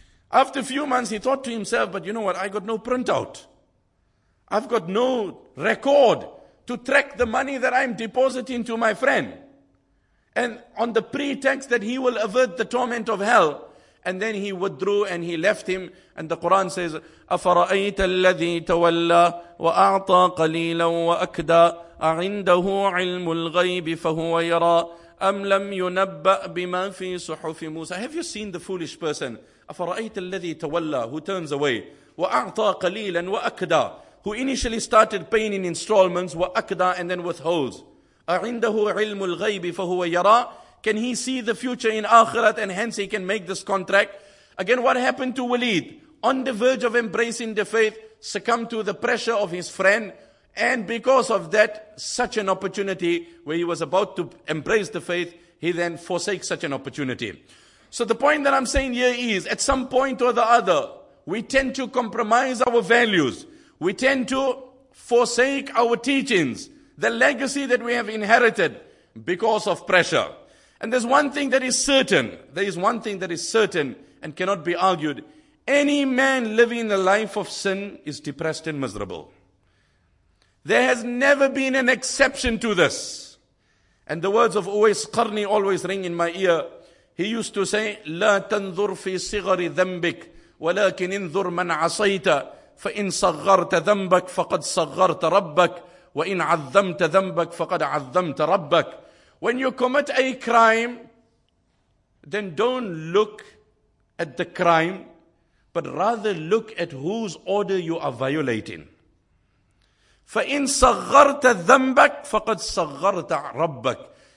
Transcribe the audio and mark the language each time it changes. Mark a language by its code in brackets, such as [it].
[en] After a few months, he thought to himself, but you know what? I got no printout. I've got no record to track the money that I'm depositing to my friend. And on the pretext that he will avert the torment of hell. And then he withdrew and he left him. And the Quran says, [ar] أَفَرَأَيْتَ الَّذِي تَوَلَّى وَأَعْطَى قَلِيلًا وَأَكْدَى أَعِنْدَهُ عِلْمُ الْغَيْبِ فَهُوَ يَرَى أَمْ لَمْ يُنَبَّأْ بِمَا فِي صُحُفِ مُوسَى [en] Have you seen the foolish person? [ar] أَفَرَأَيْتَ الَّذِي تَوَلَّى [en] Who turns away. [ar] وَأَعْطَى قَلِيلًا وَأَكْدَى [en] Who initially started paying in installments, [ar] وَأَكْدَى [en] And then withholds. [ar] أَعِنْدَهُ عِلْمُ الْغَيْبِ فَهُوَ يَرَى [en] Can he see the future in Akhirat and hence he can make this contract? Again, what happened to Waleed? On the verge of embracing the faith, succumbed to the pressure of his friend, and because of that, such an opportunity where he was about to embrace the faith, he then forsakes such an opportunity. So the point that I'm saying here is, at some point or the other, We tend to compromise our values. We tend to forsake our teachings, the legacy that we have inherited because of pressure. And there's one thing that is certain. There is one thing that is certain and cannot be argued. Any man living a life of sin is depressed and miserable. There has never been an exception to this. And the words of Uwais Qarni always ring in my ear. He used to say, [ar] لَا تَنْظُرْ فِي صِغَرِ ذَنْبِكَ وَلَكِنْ انْظُرْ مَنْ عَصَيْتَ فَإِنْ صَغَّرْتَ ذَنْبَكَ فَقَدْ صَغَّرْتَ رَبَّكَ وَإِنْ عَظَّمْتَ ذَنْبَكَ فَقَدْ عَظَّمْتَ رَبَّكَ. [en] When you commit a crime, then don't look at the crime, but rather look at whose order you are violating. [ar] فَإِنْ صَغَّرْتَ ذَنْبَكَ فَقَدْ صَغَّرْتَ رَبَّكَ.